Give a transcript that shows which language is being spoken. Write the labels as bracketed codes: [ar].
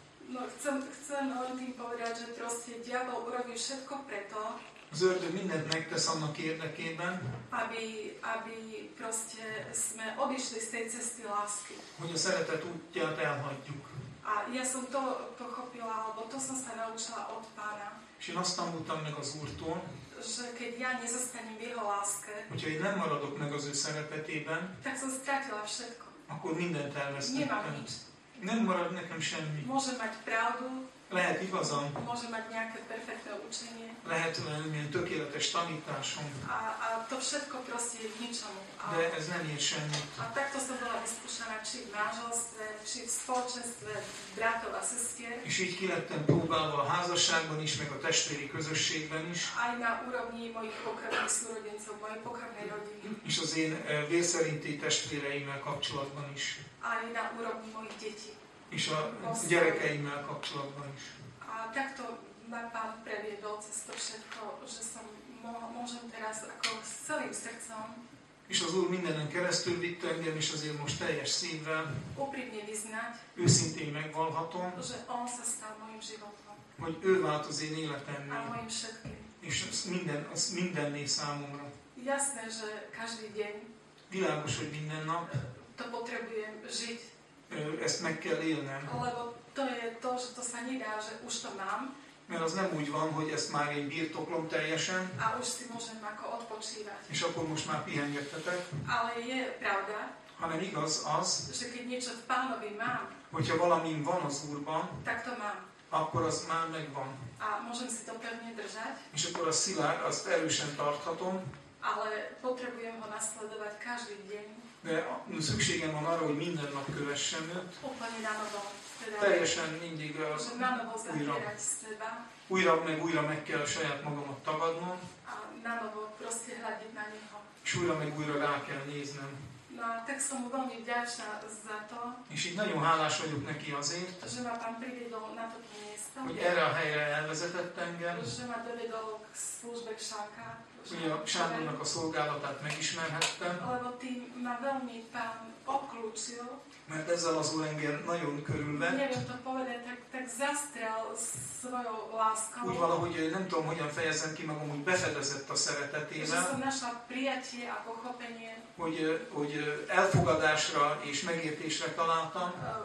[sk] No, chcem on tým povedať, že proste diabol urobí všetko preto, [hu] az ördög mindent megtesz annak érdekében, [sk] aby proste sme odišli z tej cesty lásky. [hu] Hogy a szeretet útját elhagyjuk. [sk] A ja som to pochopila, alebo to som sa naučila od Pána. [hu] És én azt tanultam meg az Úrtól, [sk] že keď ja nezostanem v jeho láske, [hu] hogyha én nem maradok meg az ő szeretetében, [sk] tak som strátila všetko. [hu] Akkor mindent elvesztettem. [sk] Nemám nič. [hu] Nem marad nekem semmi. [sk] Môžem mať pravdu. [hu] Lehet igazam. [sk] Môžem mať nejaké perfektné učenie. [hu] Lehet olyan tökéletes tanításom. [sk] A to všetko proste je v ničom. [hu] De ez nem ér semmit. [sk] A takto som bola vyskúšaná, či v manželstve, či v spoločenstve bratov a sestier. [hu] És így ki lettem próbálva a házasságban is, meg a testvéri közösségben is. [sk] Aj na úrovni mojich pokrvných súrodencov, mojej pokrvnej rodiny. [hu] És az én vérszerinti testvéreimmel kapcsolatban is. [sk] Aj na úrovni mojich detí. [hu] És a gyerekeimmel kapcsolatban is. [sk] A takto ma Pán previedol cez to všetko, že som môžem teraz ako s celým srdcom. [hu] És az Úr mindenen keresztül vitt engem, és azért most teljes szívvel [sk] úprimne vyznať, [hu] őszintén megvallhatom, [sk] že on sa stal mojim životom, [hu] hogy ő vált az én életemmel, [sk] a mojim všetkým. [hu] És az mindenné számomra. [sk] Jasné, že každý deň, [hu] világos, hogy minden nap, [sk] to potrebujem žiť, [hu] ezt meg kell élnem. [sk] Lebo to je to, že to sa nedá, že už to mám. [hu] Mert az nem úgy van, hogy ezt már én birtoklom teljesen. [sk] A už si môžem ako odpočívať. [hu] És akkor most már pihengettetek. [sk] Ale je pravda. [hu] Hanem igaz az, [sk] že keď niečo v Pánovi mám, [hu] hogyha valamim van az Úrban, [sk] tak to mám. [hu] Akkor az már megvan. [sk] A môžem si to pevne držať. [hu] És akkor a szilárd, azt erősen tarthatom. [sk] Ale potrebujem ho nasledovať každý deň. [hu] De szükségem van arra, hogy minden nap kövessem őt. [sk] Opani nanovo. [hu] Teljesen mindig az újra. Újra meg újra meg kell saját magamat tagadnom. [sk] A nanovo proste hľadiť na neho. [hu] És újra meg újra rá kell néznem. [sk] Na, tak som veľmi vďačná za to. [hu] És így nagyon hálás vagyok neki azért. [sk] Že ma Pán privedol na toto miesto. [hu] Hogy erre a helyre elvezetett engem. [sk] Že ma dovedol k službe k Sánka. [hu] Hogy a Sándornak a szolgálatát megismerhettem. [sk] Lebo tým ma veľmi Pán obklúcil. [hu] Mert ezzel az Úr engem nagyon körülvett. Nem tudom [sk] povedať, tak zastrel svojou láskou. [hu] Úgy valahogy nem tudom, hogyan fejezem ki magam, hogy befedezett a szeretetével. [sk] Že som našla prijatie a pochopenie. [hu] Hogy elfogadásra és megértésre találtam.